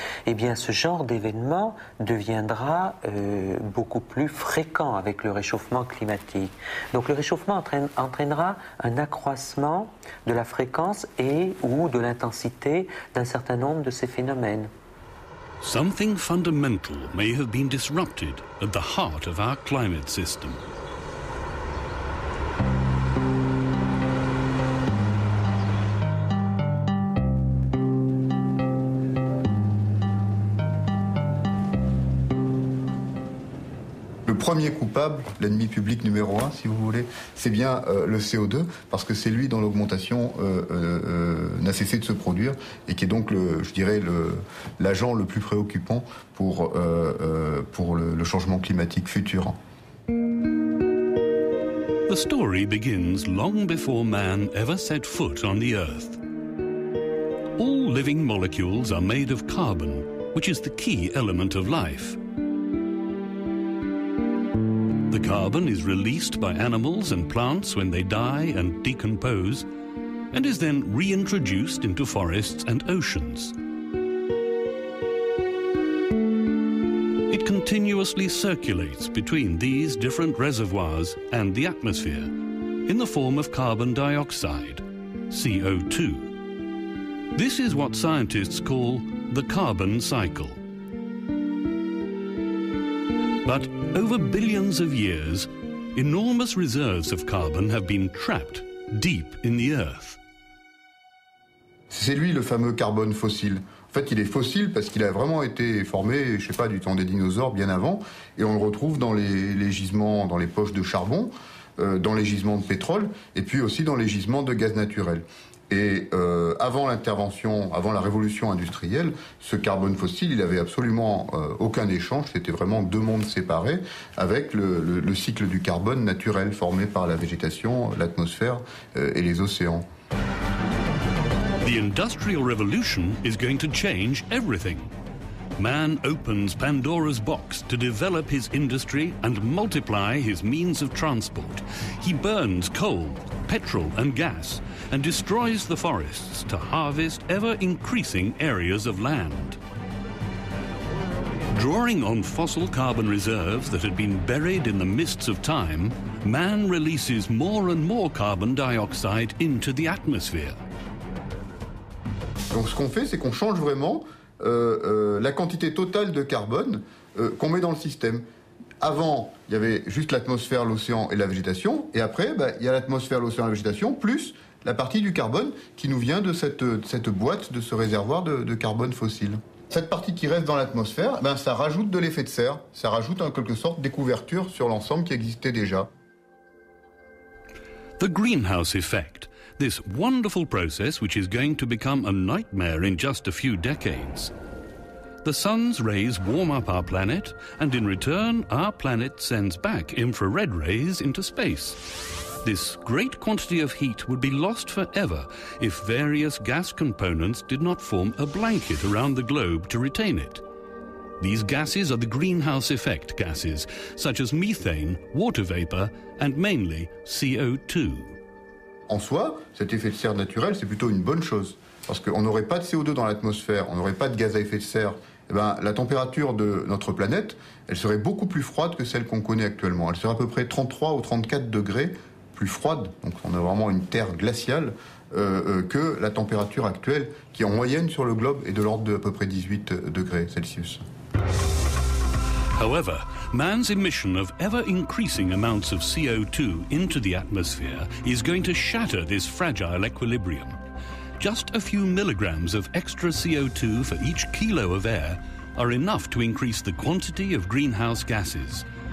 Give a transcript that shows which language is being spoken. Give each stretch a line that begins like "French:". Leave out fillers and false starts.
French: Eh bien, ce genre d'événement deviendra beaucoup plus fréquent avec le réchauffement climatique. Donc, le réchauffement entraînera un accroissement de la fréquence et ou de l'intensité d'un certain nombre de ces phénomènes.
English: Something fundamental may have been disrupted at the heart of our climate system.
French: Le premier coupable, l'ennemi public numéro un, si vous voulez, c'est bien le CO2, parce que c'est lui dont l'augmentation n'a cessé de se produire et qui est donc, l'agent le plus préoccupant pour le changement climatique futur.
English: The story begins long before man ever set foot on the Earth. All living molecules are made of carbon, which is the key element of life. The carbon is released by animals and plants when they die and decompose, and is then reintroduced into forests and oceans. It continuously circulates between these different reservoirs and the atmosphere in the form of carbon dioxide, CO2. This is what scientists call the carbon cycle. But over billions of years, enormous reserves of carbon have been trapped deep in the earth.
French: C'est lui le fameux carbone fossile. En fait, il est fossile parce qu'il a vraiment été formé, je sais pas, du temps des dinosaures, bien avant, et on le retrouve dans les gisements, dans les poches de charbon, dans les gisements de pétrole, et puis aussi dans les gisements de gaz naturel. Et avant l'intervention, avant la révolution industrielle, ce carbone fossile, il avait absolument aucun échange, c'était vraiment deux mondes séparés, avec le cycle du carbone naturel formé par la végétation, l'atmosphère et les océans.
English: The industrial revolution is going to change everything. Man opens Pandora's box to develop his industry and multiply his means of transport. He burns coal, petrol and gas, and destroys the forests to harvest ever-increasing areas of land. Drawing on fossil carbon reserves that had been buried in the mists of time, man releases more and more carbon dioxide into the atmosphere.
French: Donc ce qu'on fait, c'est qu'on change vraiment la quantité totale de carbone qu'on met dans le système. Avant, il y avait juste l'atmosphère, l'océan et la végétation. Et après, il y a l'atmosphère, l'océan et la végétation, plus la partie du carbone qui nous vient de cette boîte, de ce réservoir de carbone fossile. Cette partie qui reste dans l'atmosphère, ça rajoute de l'effet de serre. Ça rajoute en quelque sorte des couvertures sur l'ensemble qui existait déjà.
English: The greenhouse effect. This wonderful process which is going to become a nightmare in just a few decades. The sun's rays warm up our planet, and in return, our planet sends back infrared rays into space. This great quantity of heat would be lost forever if various gas components did not form a blanket around the globe to retain it. These gases are the greenhouse effect gases, such as methane, water vapor, and mainly CO2.
French: En soi, cet effet de serre naturel, c'est plutôt une bonne chose. Parce qu'on n'aurait pas de CO2 dans l'atmosphère, on n'aurait pas de gaz à effet de serre. La température de notre planète, elle serait beaucoup plus froide que celle qu'on connaît actuellement. Elle serait à peu près 33 ou 34 degrés plus froide, donc on a vraiment une Terre glaciale, que la température actuelle, qui en moyenne sur le globe est de l'ordre de à peu près 18 degrés Celsius.
English: However, man's emission of ever-increasing amounts of CO2 into the atmosphere is going to shatter this fragile equilibrium. Just a few milligrams of extra CO2 for each kilo of air are enough to increase the quantity of greenhouse gases.